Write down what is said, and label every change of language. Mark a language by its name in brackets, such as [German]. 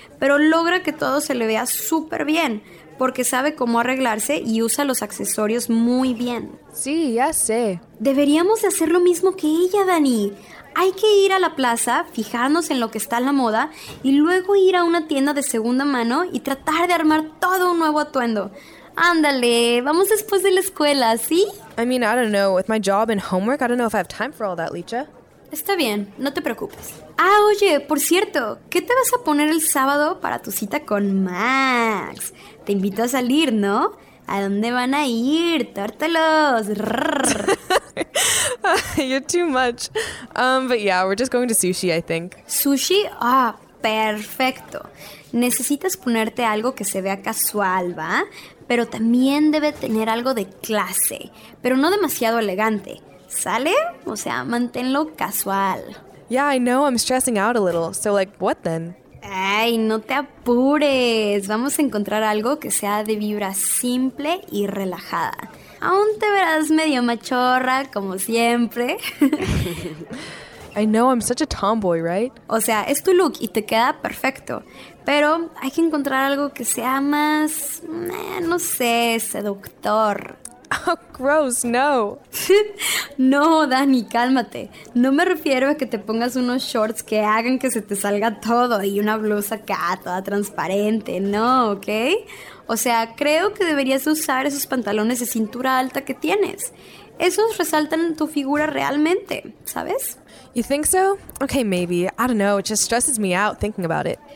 [Spanish] Pero logra que todo se le vea súper bien, porque sabe cómo arreglarse y usa los accesorios muy bien. Sí, ya sé. Deberíamos de hacer lo mismo que ella, Dani. Hay que ir a la plaza, fijarnos en lo que está en la moda, y luego ir a una tienda de segunda mano y tratar de armar todo un nuevo atuendo. ¡Ándale! ¡Vamos después de la escuela, ¿sí? [English] I mean, I don't know. With my job and homework, I don't know if I have time for all that, Licha. [Spanish] Está bien, no te preocupes. Ah, oye, por cierto, ¿qué te vas a poner el sábado para tu cita con Max? Te invito a salir, ¿no? ¿A dónde van a ir, tórtolos? [English] You're too much. But yeah, we're just going to sushi, I think. [Spanish] ¿Sushi? Ah, perfecto. Necesitas ponerte algo que se vea casual, ¿va? Pero también debe tener algo de clase, pero no demasiado elegante. ¿Sale? O sea, manténlo casual. [English] Yeah, I know, I'm stressing out a little. So, like, what then? [Spanish] Ay, no te apures. Vamos a encontrar algo que sea de vibra simple y relajada. Aún te verás medio machorra, como siempre. [English] I know, I'm such a tomboy, right? [Spanish] O sea, es tu look y te queda perfecto. Pero hay que encontrar algo que sea más, no sé, seductor. [English] Oh, gross, no. [Spanish] No, Dani, cálmate. No me refiero a que te pongas unos shorts que hagan que se te salga todo y una blusa acá toda transparente, no, ¿ok? O sea, creo que deberías usar esos pantalones de cintura alta que tienes. Esos resaltan tu figura realmente, ¿sabes? [English] You think so? Okay, maybe. I don't know, it just stresses me out thinking about it.